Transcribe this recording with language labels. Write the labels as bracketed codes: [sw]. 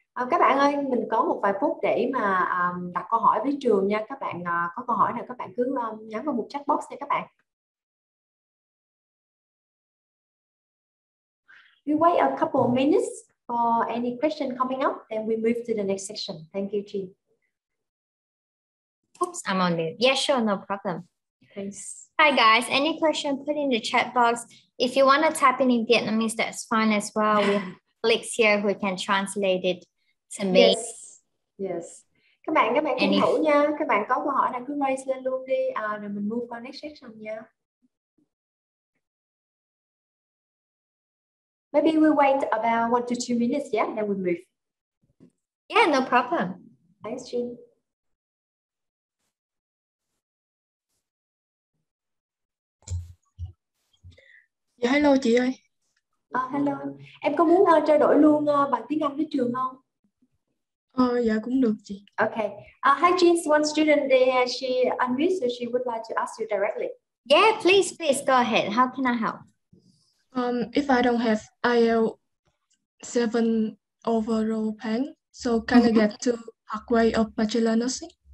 [vi] Các bạn ơi, mình có một vài phút để mà đặt câu hỏi với trường nha. Các bạn có câu hỏi nào, các bạn cứ nhắn vào một chat box nha các bạn. [en] we wait a couple of minutes for any question coming up, then we move to the next section. Thank you, Jean. Oops, I'm on mute. Yeah, sure, no problem. Thanks. Hi, guys. Any question, put in the chat box. If you want to type in Vietnamese, that's fine as well. We have Alex here who can translate it to me. [vi] Yes, yes. Các bạn cũng thủ nha. Các bạn có câu hỏi là cứ raise lên luôn đi. Rồi mình [en] move on next section [vi] nha. [en] Maybe we wait about 1 to 2 minutes, yeah? Then we move. Yeah, no problem. Thanks, Jean. Yeah, hello, [vi] chị ơi. [en] Hello. [vi] Em có muốn trao đổi luôn bằng tiếng Anh với trường không? Dạ, cũng được, chị. [en] Okay. Hi, Jean. One student, she unmute, so she would like to ask you directly. Yeah, please, please, go ahead. How can I help? If I don't have IELTS 7 overall plan, so can I get to halfway of bachelor nursing?